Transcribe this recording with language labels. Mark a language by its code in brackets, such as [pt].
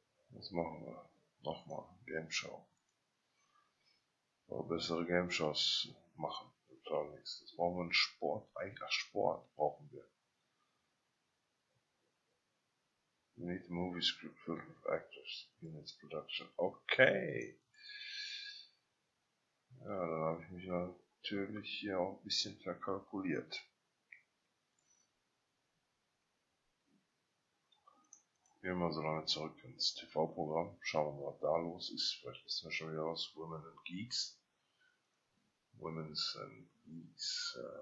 [de] Was machen wir? Nochmal, Game Show. Bessere Game Shows machen. Nächstes. Brauchen wir einen Sport? Eigentlich, ach, Sport brauchen wir. [en] We need a movie script filled with actors in its production. [de] Okay. Ja, dann habe ich mich natürlich hier auch ein bisschen verkalkuliert. Gehen wir mal so lange zurück ins TV-Programm. Schauen wir mal, was da los ist. Vielleicht wissen wir schon wieder was. Women and Geeks. Women's and Geeks.